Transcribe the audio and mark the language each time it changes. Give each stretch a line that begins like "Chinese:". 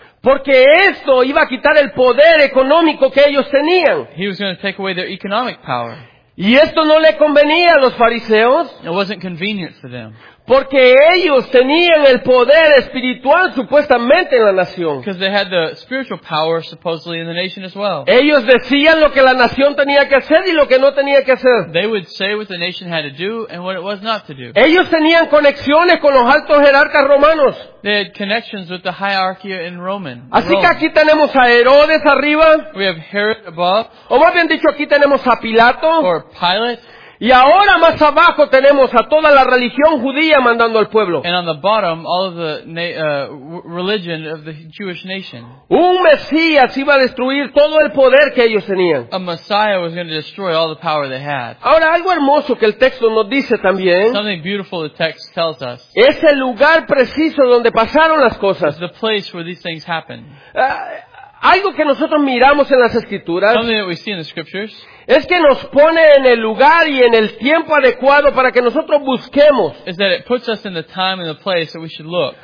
Spanish: Porque esto iba a quitar el poder económico que ellos tenían.
English: He was going to take away their economic power.
Spanish: Y esto no le convenía a los fariseos.
English: It wasn't convenient for them.
Spanish: Porque ellos tenían el poder espiritual supuestamente en la nación.
English: Because they had the spiritual power supposedly in the nation as well.
Spanish: Ellos decían lo que la nación tenía que hacer y lo que no tenía que hacer.
English: They would say what the nation had to do and what it was not to do.
Spanish: Ellos tenían conexiones con los altos jerarcas romanos.
English: They had connections with the hierarchy in Roman.
Spanish: Así que aquí tenemos a Herodes arriba.
English: We have Herod above.
Spanish: O más bien dicho, aquí tenemos a Pilato.
English: Or Pilate.
Spanish: Y ahora más abajo tenemos a toda la religión judía mandando al pueblo.
English: And on the bottom, all of the religion of the Jewish nation.
Spanish: Un Mesías iba a destruir todo el poder que ellos tenían.
English: A Messiah was going to destroy all the power they had.
Spanish: Ahora, algo hermoso que el texto nos dice también.
English: Something beautiful the text tells us.
Spanish: Es el lugar preciso donde pasaron las cosas.
English: The place where these things happened.
Spanish: Algo que nosotros miramos en las Escrituras.
English: Something that we see in the Scriptures.
Spanish: Es que nos pone en el lugar y en el tiempo adecuado para que nosotros busquemos.
English: Is that it puts us in the time and the place that we should look.